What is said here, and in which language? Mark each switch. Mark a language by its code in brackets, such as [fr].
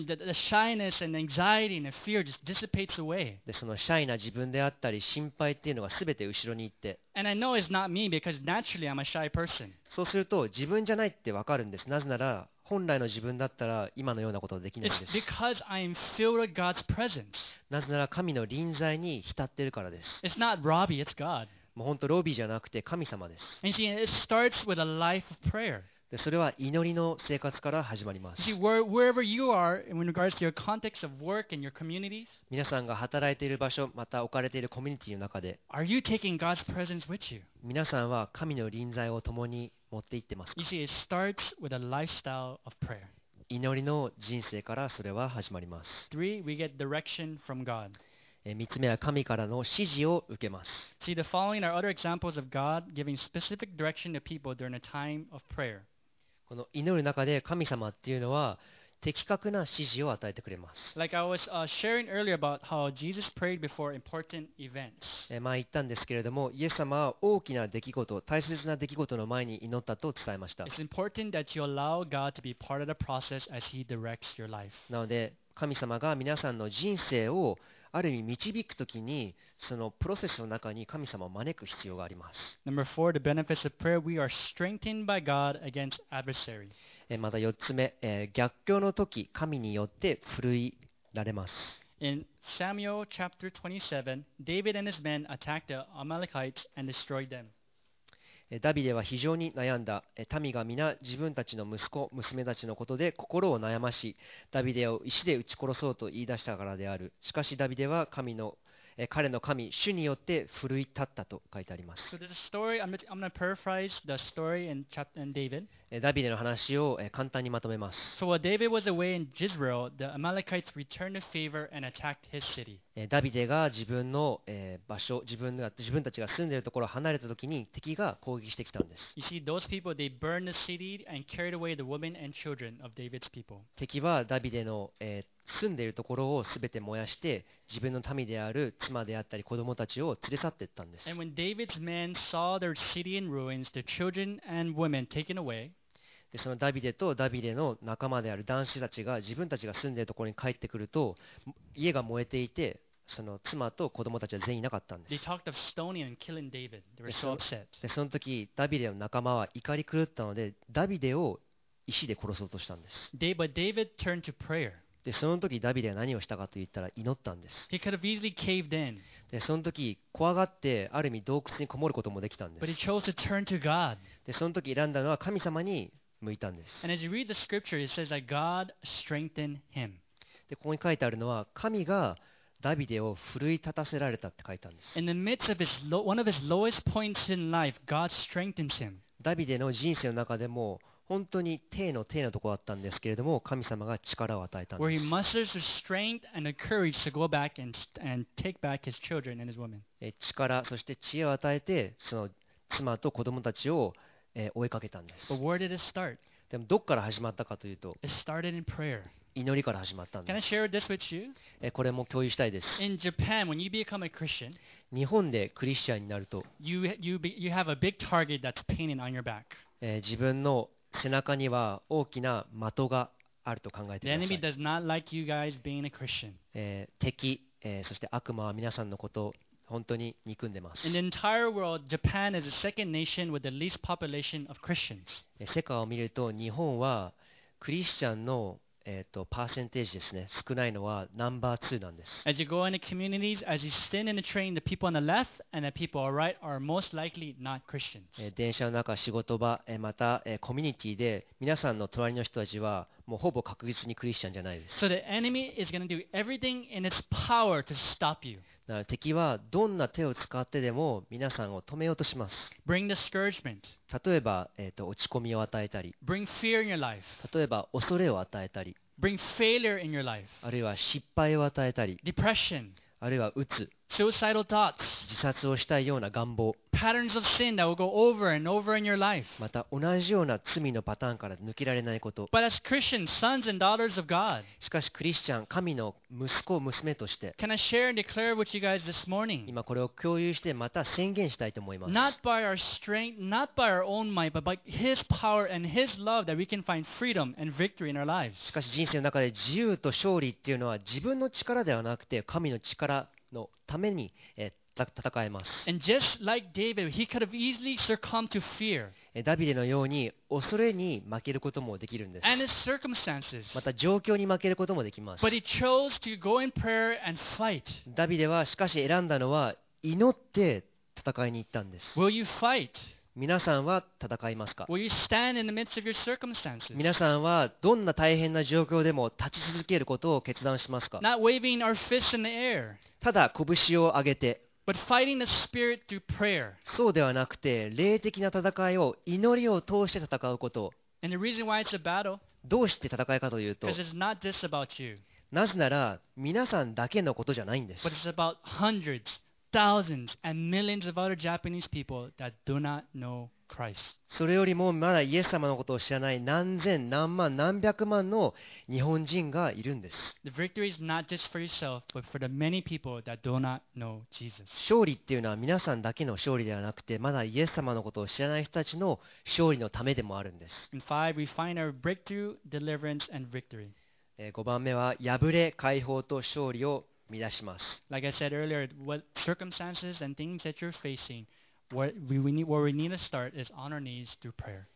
[en] And the shyness and anxiety and fear just dissipates away. [ja] でそのシャイな自分であったり心配っていうのがすべて後ろに行って、 [en] And I know it's not me because naturally I'm a shy person. [ja] そうすると自分じゃないってわかるんです。なぜなら本来の自分だったら今のようなことはできないです。 [en] It's because I'm filled with God's presence. [ja] なぜなら神の臨在に浸っているからです。 [en] It's not Robbie, it's God. [ja] もう本当ロビーじゃなくて神様です。 [en] And you see, it starts with a life of prayer. [ja] でそれは祈りの生活から始まります。 [en] You see, wherever you are, in regards to your context of work and your communities, [ja] 皆さんが働いている場所、また置かれているコミュニティの中で、 [en] Are you taking God's presence with you? [ja] 皆さんは神の臨在を共に持って行ってますか? [en] You see, it starts with a lifestyle of prayer. [ja] 祈りの人生からそれは始まります。 [en] Three, we get direction from God. [ja] 三つ目は神からの指示を受けます。 [en] See, the following are other examples of God giving specific direction to people during a time of prayer. [ja] この祈る中で神様っていうのは的確な指示を与えてくれます。 [en] Like I was sharing earlier about how Jesus prayed before important events. [ja] 前言ったんですけれども、イエス様は大きな出来事、大切な出来事の前に祈ったと伝えました。 [en] It's important that you allow God to be part of the process as He directs your life. [ja] なので、神様が皆さんの人生をある意味導くときに、そのプロセスの中に神様を招く必要があります。 [en] Number four, the benefits of prayer, we are strengthened by God against adversary. [ja] また四つ目、逆境の時、神によって奮いられます。 [en] In Samuel chapter 27, David and his men attacked the Amalekites and destroyed them. [ja] ダビデは非常に悩んだ。民が皆自分たちの息子、娘たちのことで心を悩まし、ダビデを石で打ち殺そうと言い出したからである。しかしダビデは神の彼の神、主によって奮い立ったと書いてあります。 [en] So there's a story, I'm going to paraphrase the story in chapter in David. [ja] ダビデの話を簡単にまとめます。 [en] So while David was away in Israel, the Amalekites returned the favor and attacked his city. [ja] ダビデが自分の場所、自分たちが住んでいるところを離れたときに敵が攻撃してきたんです。 [en] You see, those people, they burned the city and carried away the women and children of David's people. [ja] 敵はダビデの住んでいるところをすべて燃やして自分の民である妻であったり子供たちを連れ去っていったんです。 [en] And when David's men saw their city in ruins, their children and women taken away, [ja] でそのダビデとダビデの仲間である男子たちが自分たちが住んでいるところに帰ってくると家が燃えていて、その妻と子供たちは全員いなかったんです。 [en] They talked of stoning and killing David. They were so upset. [ja] でその時ダビデの仲間は怒り狂ったので、ダビデを石で殺そうとしたんです。 [en] But David turned to prayer. [ja] でその時ダビデは何をしたかと言ったら祈ったんです。 [en] He could have easily caved in. [ja] でその時怖がってある意味洞窟にこもることもできたんです。 [en] But he chose to turn to God. [ja] でその時選んだのは神様に向いたんです。 [en] And as you read the scripture, it says that God strengthened him. [ja] でここに書いてあるのは神がダビデを奮い立たせられたって書いてあるんです。 [en] In the midst of one of his lowest points in life, God strengthens him. [ja] ダビデの人生の中でも本当に低の低のところだったんですけれども、神様が力を与えたんです。 [en] Where he musters the strength and the courage to go back and take back his children and his women. [ja] 力、そして知恵を与えて、その妻と子供たちを追いかけたんです。 [en] But where did it start? [ja] でもどこから始まったかというと、 [en] It started in prayer. [ja] 祈りから始まったんです。 [en] Can I share this with you? [ja] これも共有したいです。 [en] In Japan, when you become a Christian, [ja] 日本でクリスチャンになると、 [en] you have a big target that's painted on your back. [ja] 自分の背中には大きな的があると考えてください。 [en] The enemy does not like you guys being a Christian. [ja] 敵、そして悪魔は皆さんのことを本当に憎んでます。 [en] In the entire world, Japan is the second nation with the least population of Christians. [ja] 世界を見ると日本はクリスチャンの、パーセンテージですね、少ないのはナンバー2なんです。 [en] As you go into communities, as you stand in the train, the people on the left and the people on the right are most likely not Christians. [ja] 電車の中、仕事場、またコミュニティで皆さんの隣の人たちはもうほぼ確実にクリスチャンじゃないです。 [en] So the enemy is going to do everything in its power to stop you. [ja] 敵はどんな手を使ってでも皆さんを止めようとします。 [en] Bring discouragement. [ja] 例えば、落ち込みを与えたり、 [en] Bring fear in your life. [ja] 例えば恐れを与えたり、 [en] Bring failure in your life. [ja] あるいは失敗を与えたり、 [en] Depression. [ja] あるいはうつ、 [en] Suicidal thoughts. [ja] 自殺をしたいような願望、 [en] Patterns of sin that will go over and over in your life. [ja] また同じような罪のパターンから抜けられないこと。 [en] But as Christians, sons and daughters of God, [ja] しかしクリスチャン、神の息子娘として、 [en] Can I share and declare with you guys this morning? [ja] 今これを共有してまた宣言したいと思います。 [en] Not by our strength, not by our own might, but by His power and His love that we can find freedom and victory in our lives. [ja] しかし人生の中で自由と勝利っていうのは自分の力ではなくて神の力のために戦えます。 [en] And just like David, he could have easily succumbed to fear. [ja] ダビデのように恐れに負けることもできるんです。 [en] And his circumstances. [ja] また状況に負けることもできます。 [en] But he chose to go in prayer and fight. [ja] ダビデはしかし選んだのは祈って戦いに行ったんです。 [en] Will you fight? [ja] 皆さんは戦いますか? [en] Will you stand in the midst of your circumstances? [ja] 皆さんはどんな大変な状況でも立ち続けることを決断しますか? [en] Not waving our fists in the air. [ja] ただ拳を上げて、 [en] But fighting the spirit through prayer. [ja] そうではなくて霊的な戦いを祈りを通して戦うこと。 [en] And the reason why it's a battle, [ja] どうして戦いかというと、 [en] Because it's not just about you. [ja] なぜなら皆さんだけのことじゃないんです。 [en] But it's about hundreds, thousands, and millions of other Japanese people that do not know Christ. [ja] それよりもまだイエス様のことを知らない何千、何万、何百万の日本人がいるんです。 [en] The victory is not just for yourself, but for the many people that do not know Jesus. [ja] 勝利っていうのは皆さんだけの勝利ではなくて、まだイエス様のことを知らない人たちの勝利のためでもあるんです。 [en] In five, we find our breakthrough, deliverance, and victory. [ja] 5番目は破れ解放と勝利を見出します。 [en] Like I said earlier, what circumstances and things that you're facing, what we need to start is on our knees through prayer.